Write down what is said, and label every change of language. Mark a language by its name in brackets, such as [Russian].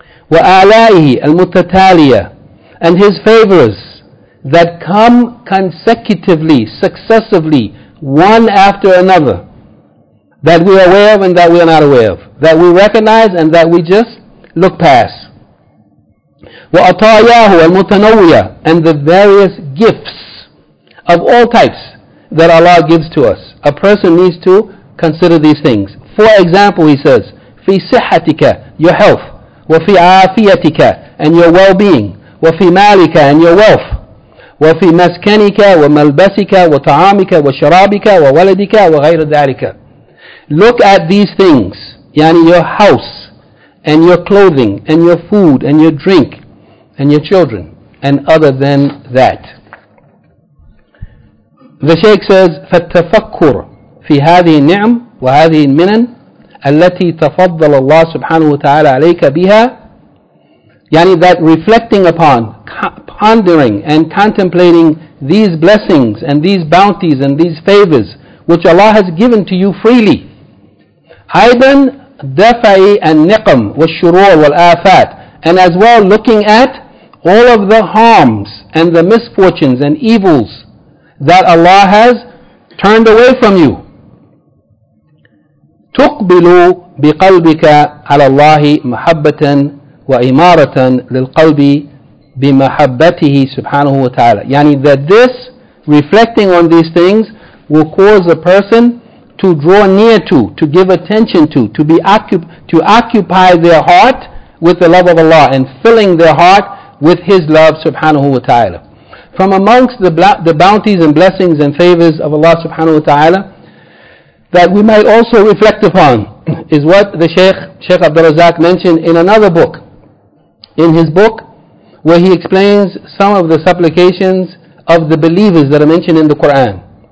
[Arabic] وَآلَائِهِ الْمُتَتَالِيَةِ, [English] and His favors that come consecutively, successively, one after another, that we are aware of and that we are not aware of, that we recognize and that we just look past. [Arabic] وَأَطَايَاهُ الْمُتَنَوِّيَةِ, [English] and the various gifts of all types that Allah gives to us. A person needs to consider these things. For example, he says, [Arabic] في صحتك, [English] your health, [Arabic] وفي عافيتك, [English] and your well-being, [Arabic] وفي مالك, [English] and your wealth, [Arabic] وفي مسكنك وملبسك وطعامك وشرابك وولدك وغير ذلك. [English] Look at these things, yani your house, and your clothing, and your food, and your drink, and your children, and other than that. The Shaykh says, [Arabic] فَالتَّفَكُّرْ فِي هَذِهِ النِّعْمْ وَهَذِهِ الْمِنَنْ التي تفضل الله سبحانه وتعالى عليك بها, [English] yani that reflecting upon, pondering and contemplating these blessings and these bounties and these favors which Allah has given to you freely. [Arabic] أيضا دفع النقم والشرور والآفات, [English] and as well looking at all of the harms and the misfortunes and evils that Allah has turned away from you. [Arabic] تقبل بقلبك على الله محبة وإمارة للقلب بمحبته سبحانه وتعالى. [English] Yani that this, reflecting on these things, will cause a person to draw near to give attention to occupy their heart with the love of Allah, and filling their heart with His love subhanahu wa ta'ala. From amongst the bounties and blessings and favors of Allah subhanahu wa ta'ala that we might also reflect upon is what the Shaykh Abdul Razak mentioned in another book, in his book, where he explains some of the supplications of the believers that are mentioned in the Quran.